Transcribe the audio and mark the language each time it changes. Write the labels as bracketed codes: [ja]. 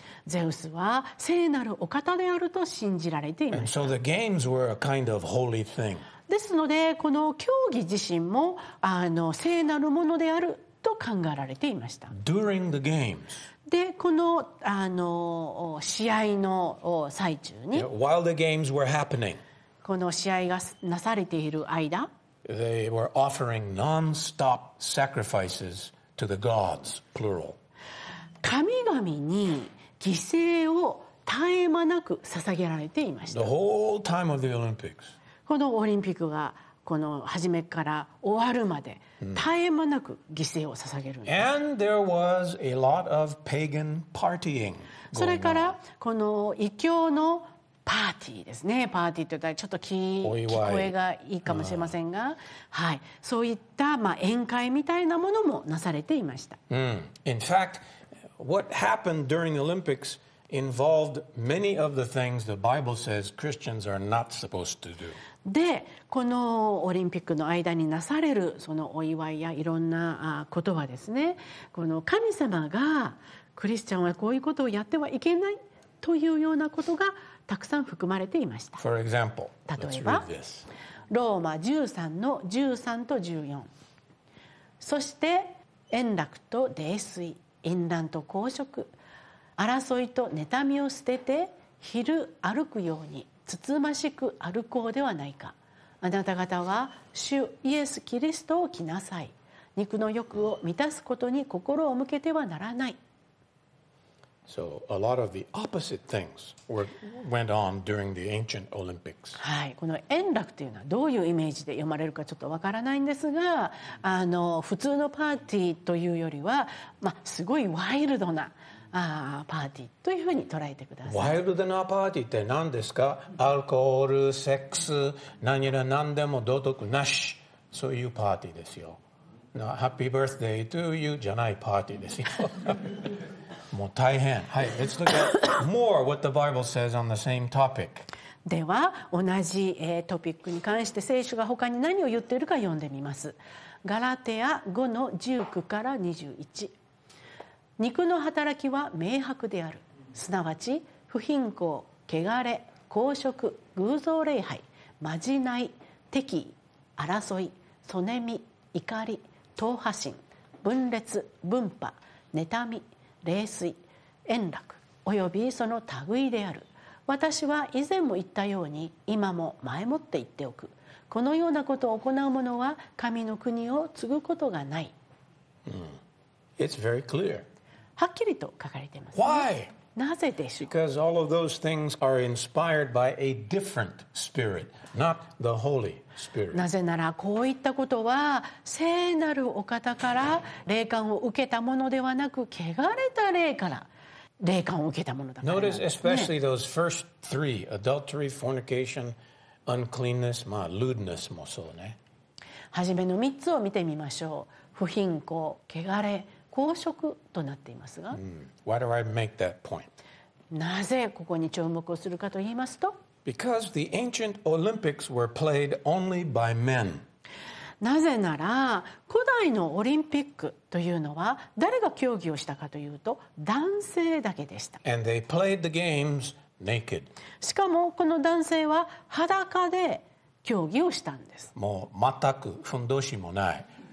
[ja] ゼウスは聖なるお方であると信じられていました。 [en] And so the games were a kind of holy thing. [ja] ですので、この競技自身も聖なるものであると考えられていました。 [en] During the games. [ja] で、この試合の最中に、 [en] While the games were happening, [ja] この試合がなされている間、 [en] they were offering non-stop sacrifices to the gods, plural. [ja] 神々に犠牲を絶え間なく捧げられていました。 [en] The whole time of the Olympics. [ja] このオリンピックがこの始めから終わるまで絶え間なく犠牲を捧げるんです。 [en] And there was a lot of pagan partying going on. [ja] それからこの異教のパーティーですね、パーティーって言ったらちょっと聞こえがいいかもしれませんが、はい、そういったまあ宴会みたいなものもなされていました。 [en] In fact, what happened during the Olympics involved many of the things the Bible says Christians are not supposed to do. [ja] で、このオリンピックの間になされるそのお祝いやいろんなことはですね、この神様がクリスチャンはこういうことをやってはいけないというようなことがたくさん含まれていました。 [en] For example, [ja] 例えば、ローマ13の13と14。そして、円楽と泥酔、淫乱と公職、争いと妬みを捨てて昼歩くようにつつましく歩こうではないか。あなた方は主イエス・キリストを着なさい。肉の欲を満たすことに心を向けてはならない。 [en] So a lot of the opposite things went on during the ancient Olympics. [ja] はい、この円楽というのはどういうイメージで読まれるかちょっとわからないんですが、普通のパーティーというよりは、まあすごいワイルドなパーティーというふうに捉えてください。ワイルドなパーティーって何ですか？アルコール、セックス、何やら何でも道徳なし、そういうパーティーですよ。 [en] No, happy birthday to you [ja] じゃないパーティーですよ。もう大変。 [en] はい、Let's look at more what the Bible says on the same topic. [ja] では同じトピックに関して聖書が他に何を言っているか読んでみます。ガラテア5の19から21。肉の働きは明白である、すなわち不貧困、汚れ、公職、偶像礼拝、まじない、敵意、争い、そねみ、怒り、党派心、分裂、分派、妬み、泥酔、円楽およびその類である。私は以前も言ったように、今も前もって言っておく、このようなことを行う者は神の国を継ぐことがない。 [en] It's very clear [ja] はっきりと書かれています。 [en] Why? [ja] なぜでしょう。 [en] Because all of those things are inspired by a different spirit, not the Holy Spirit. [ja] なぜならこういったことは聖なるお方から霊感を受けたものではなく、汚れた霊から霊感を受けたものだから。 [en] Notice especially those first three: adultery, fornication, uncleanness, [ja] まあ [en] lewdness [ja] もそうね。はじめの3つを見てみましょう。不貧困、汚れ、公職となっていますが、 [en] Why do I make that point? [ja] なぜここに注目をするかと言いますと、 [en] Because the ancient Olympics were played only by men. [ja] なぜなら古代のオリンピックというのは誰が競技をしたかというと男性だけでした。 [en] And they played the games naked. [ja] しかもこの男性は裸で競技をしたんです。もう全くふんどしもない。